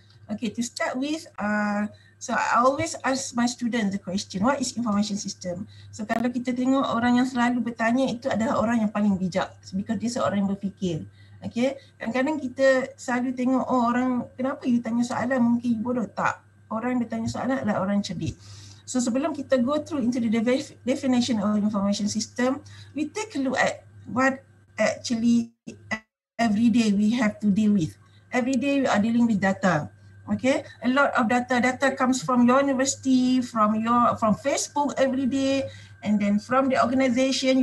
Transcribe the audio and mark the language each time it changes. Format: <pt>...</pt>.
<en>Okay, to start with, so I always ask my students the question, what is information system?</en> <ms>So kalau kita tengok orang yang selalu bertanya itu adalah orang yang paling bijak, because dia seorang yang berfikir. Okay, kadang-kadang kita selalu tengok, oh orang, kenapa you tanya soalan, mungkin you bodoh. Tak, orang yang bertanya soalan adalah orang cerdik.</ms> <en>So</en> <ms>sebelum kita</ms> <en>go through into the definition of information system, we take a look at what actually every day we have to deal with. Every day we are dealing with data. Okay, a lot of data comes from your university, from Facebook every day, and then from the organization.</en>